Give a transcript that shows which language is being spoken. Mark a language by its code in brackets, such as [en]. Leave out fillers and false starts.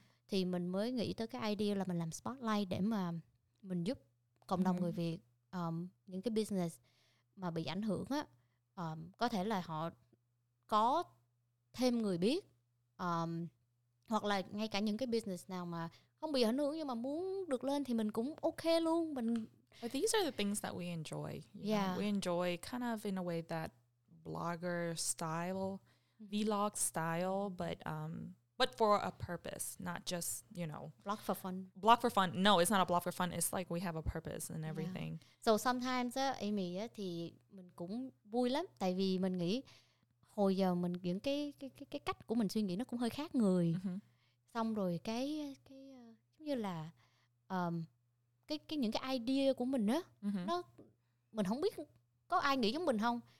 [vi] Thì mình mới nghĩ tới cái idea là mình làm spotlight để mà mình giúp cộng đồng người Việt, những cái business mà bị ảnh hưởng á, có thể là họ có thêm người biết, hoặc là ngay cả những cái business nào mà không bị ảnh hưởng nhưng mà muốn được lên thì mình cũng ok luôn. [en] These are the things that we enjoy. We enjoy kind of in a way that blogger style, vlog style, but for a purpose, not just, you know, blog for fun. Blog for fun. No, it's not a blog for fun. It's like we have a purpose and everything. So sometimes [vi] Amy thì mình cũng vui lắm, tại vì mình nghĩ hồi giờ mình những cái cách của mình suy nghĩ nó cũng hơi khác người. Xong rồi cái giống như là cái những cái idea của mình á, nó mình không biết có ai nghĩ giống mình không.